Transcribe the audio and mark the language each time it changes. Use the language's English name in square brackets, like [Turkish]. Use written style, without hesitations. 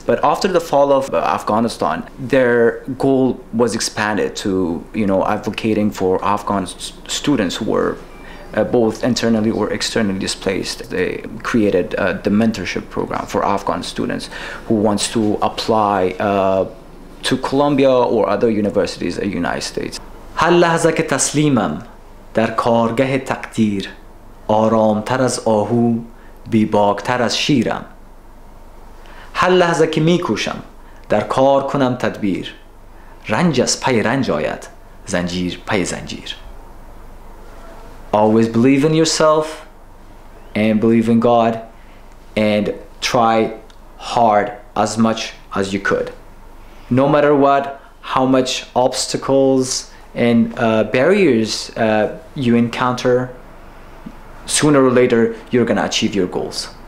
[English] But after the fall of Afghanistan, their goal was expanded to, you know, advocating for Afghan students who were both internally or externally displaced. They created the mentorship program for Afghan students who wants to apply to Columbia or other universities in the United States. [Persian] هر لحظه که تسلیمم در کارگاه تقدیر آرامتر از آهو بی‌باکتر از شیرم هر لحظه که میکوشم در کار کنم تدبیر رنج از پای رنج آید زنجیر پای زنجیر. [English] Always believe in yourself and believe in God and try hard as much as you could. No matter what, how much obstacles and barriers you encounter, sooner or later you're gonna achieve your goals.